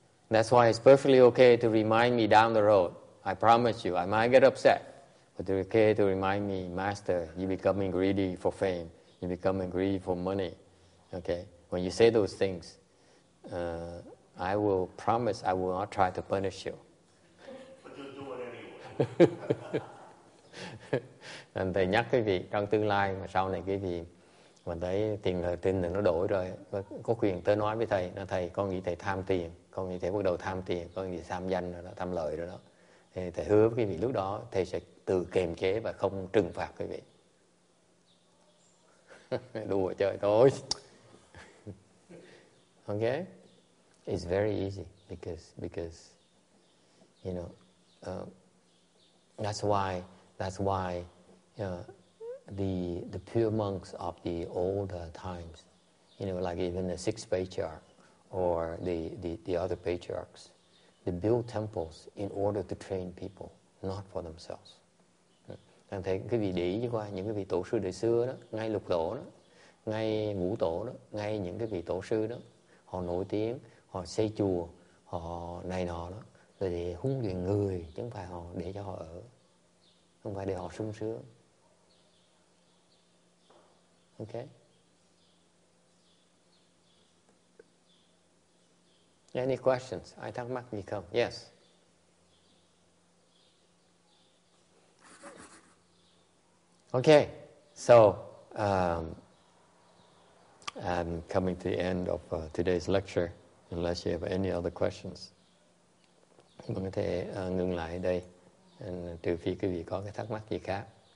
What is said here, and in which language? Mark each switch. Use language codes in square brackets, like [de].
[en] That's why it's perfectly okay to remind me down the road. I promise you, I might get upset, but it's okay to remind me, Master, you're becoming greedy for fame. You're becoming greedy for money. Okay? When you say those things, I will promise I will not try to punish you. But you'll do it anyway. [vi] Nên thầy nhắc quý vị, trong tương lai mà sau này quý vị mà thấy tiền lời tin thì nó đổi rồi, có quyền tới nói với thầy, nói thầy con nghĩ thầy tham tiền, con nghĩ thầy bắt đầu tham tiền, con nghĩ tham danh rồi đó, tham lợi rồi đó. Thì thầy hứa với quý vị lúc đó thầy sẽ tự kiềm chế và không trừng phạt quý vị. Đùa chơi thôi. [en] Okay? It's very easy because you know, that's why the pure monks of the old times, you know, like even the sixth patriarch or the other patriarchs, they build temples in order to train people, not for themselves. [vi] Thành thế cái vị để ý qua những cái vị tổ sư đời xưa đó, ngay lục tổ đó, ngay ngũ tổ đó, ngay những cái vị tổ sư đó, họ nổi tiếng, họ xây chùa, họ này nọ đó, rồi để huấn luyện người, chứ không phải họ để cho họ ở, không phải để họ sung sướng. [en] Ok. Any questions? [vi] Ai thắc mắc gì không? Yes. [en] Okay, so I'm coming to the end of today's lecture, unless you have any other questions. [vi] Mình có thể ngừng lại đây, trừ phi quý vị có cái thắc mắc gì khác.